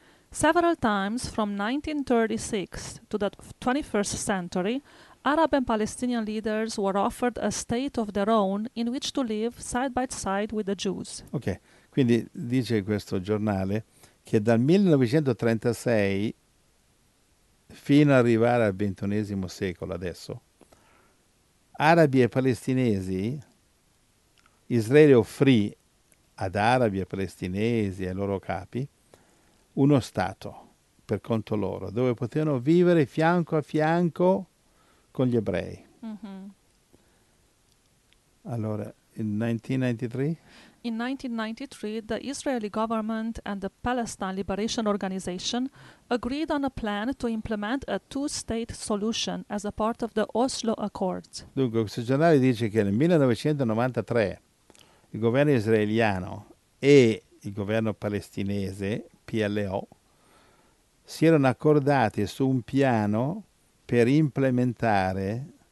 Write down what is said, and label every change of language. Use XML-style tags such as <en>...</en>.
<en>Several times from 1936 to the 21st century, Arab and Palestinian leaders were offered a state of their own in which to live side by side with the Jews.</en> <it>Ok, quindi dice questo giornale che dal 1936 fino ad arrivare al XXI secolo, adesso, arabi e palestinesi, Israele offrì ad arabi e palestinesi e ai loro capi uno Stato per conto loro, dove potevano vivere fianco a fianco con gli ebrei. Allora,</it> <en>in 1993. In 1993, the Israeli government and the Palestine Liberation Organization agreed on a plan to implement a two-state solution as a part of the Oslo Accords.</en> <it>Dunque, questo giornale dice che nel 1993 il governo israeliano e il governo palestinese, PLO, si erano accordati su un piano per implementare</it>